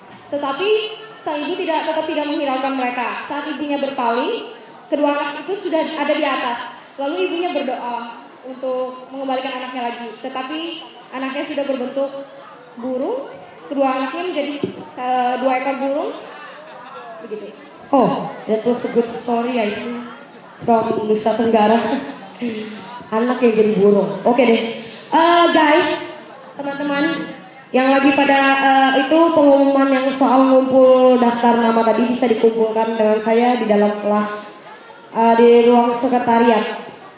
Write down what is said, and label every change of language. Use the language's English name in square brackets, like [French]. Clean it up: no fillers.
[Indonesian] Tetapi sang ibu tetap tidak menghiraukan mereka. Saat ibunya berpaling, kedua anak itu sudah ada di atas. Lalu ibunya berdoa untuk mengembalikan anaknya lagi. Tetapi anaknya sudah berbentuk burung. Kedua anaknya menjadi dua ekor burung. Begitu. [English] Oh, that was a good story, I think. [Indonesian] From Nusa Tenggara. Anak yang jadi burung. Oke deh. Guys, teman-teman yang lagi pada itu pengumuman yang soal ngumpul daftar nama tadi bisa dikumpulkan dengan saya di dalam kelas di ruang sekretariat.